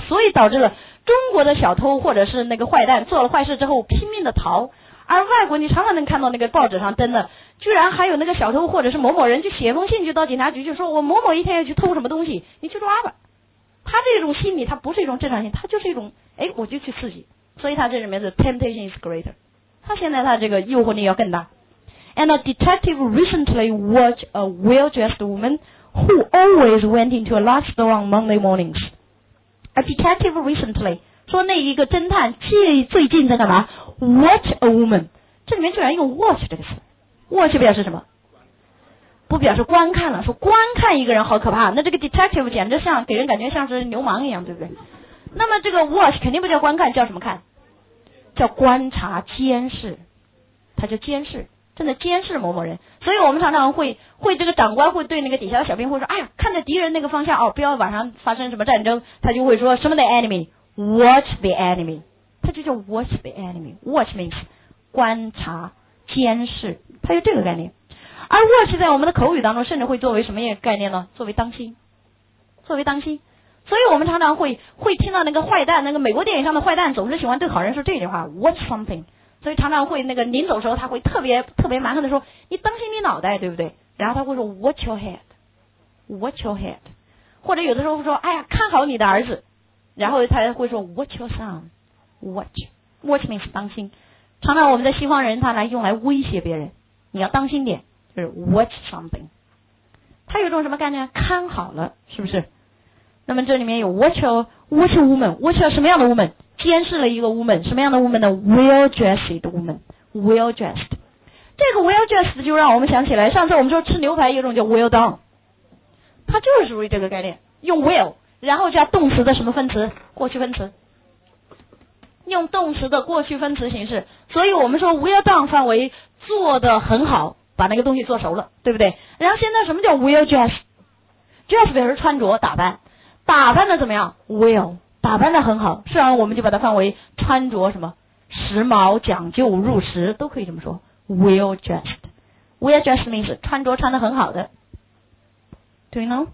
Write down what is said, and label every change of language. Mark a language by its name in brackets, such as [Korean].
[Chinese] 所以导致了中国的小偷或者是那个坏蛋做了坏事之后拼命的逃，而外国你常常能看到那个报纸上登的居然还有那个小偷或者是某某人去写封信就到警察局，就说我某某一天要去偷什么东西你去抓吧。他这种心理他不是一种正常性，他就是一种哎，我就去刺激。所以他这里面的 [English] temptation is greater， [Chinese] 他现在他这个诱惑力要更大。 [English] And a detective recently watched a well-dressed woman who always went into a large store on Monday mornings. A detective recently [Chinese] 说那一个侦探最近在干嘛？ [English] Watch a woman， [Chinese] 这里面居然用 watch 这个词。 watch 表示什么？不表示观看了，说观看一个人好可怕。那这个 detective 简直像给人感觉像是流氓一样，对不对？那么这个 watch 肯定不叫观看，叫什么看？叫观察监视，他叫监视，正在监视某某人。所以我们常常会这个长官会对那个底下的小兵会说，哎呀，看着敌人那个方向哦，不要晚上发生什么战争，他就会说什么 the enemy， [English] watch the enemy， [Chinese] 他就叫 watch the enemy， [English] watch means [Chinese] 观察、监视，它有这个概念。而 watch 在我们的口语当中甚至会作为什么概念呢？作为当心，作为当心。所以我们常常会听到那个坏蛋，那个美国电影上的坏蛋总是喜欢对好人说这句话 [English] watch something。 [Chinese] 所以常常会那个临走的时候他会特别特别蛮横的说，你当心你脑袋，对不对？然后他会说 [English] watch your head watch your head。 [Chinese] 或者有的时候会说，哎呀，看好你的儿子，然后他会说 [English] watch your son watch watch means [Chinese] 当心。常常我们的西方人他来用来威胁别人，你要当心点，就是 [English] watch something。 [Chinese] 他有种什么概念？看好了，是不是？那么这里面有 [English] watch a woman [Chinese] watch a 什么样的 woman， 监视了一个 woman， 什么样的 woman 呢？ [English] well dressed woman well dressed。 [Chinese] 这个 well dressed 就让我们想起来上次我们说吃牛排有种叫 [English] well done， [Chinese] 它就是属于这个概念，用 well 然后加动词的什么分词？过去分词，用动词的过去分词形式。所以我们说 [English] well done [Chinese] 范围做得很好，把那个东西做熟了，对不对？然后现在什么叫 [English] well dressed？ [Chinese] dressed 表示穿着打扮，打扮的怎么样？ well 打扮的很好，是啊，我们就把它范围穿着什么时髦讲究入时都可以这么说。 [English] well dressed means [Chinese] 穿着穿得很好的。 [English] do you know？